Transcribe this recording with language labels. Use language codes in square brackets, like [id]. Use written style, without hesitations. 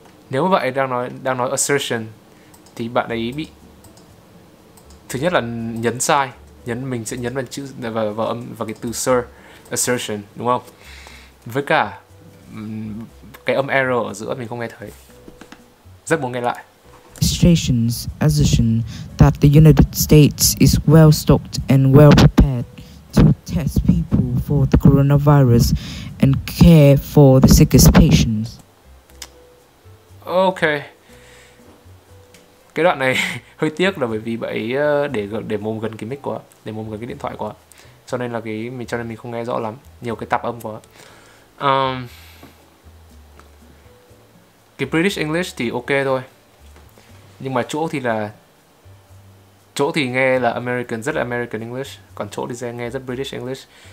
[vi] Nếu mà bạn đang nói assertion thì bạn ấy bị, thứ nhất là nhấn sai. Mình sẽ nhấn vào chữ vào cái từ sir, assertion, đúng không? Với cả cái âm error ở giữa mình không nghe thấy. Rất muốn nghe lại. [en] Administration's assertion that the United States is well stocked and well prepared to test people for the coronavirus and care for the sickest patients. Okay. [vi] Cái đoạn này hơi tiếc là bởi vì bạn ấy để mồm gần cái mic quá, để mồm gần cái điện thoại quá. Cho nên mình không nghe rõ lắm, nhiều cái tạp âm quá. Cái British English thì ok thôi. Nhưng mà chỗ thì nghe là American, rất là American English, còn chỗ thì nghe rất British English.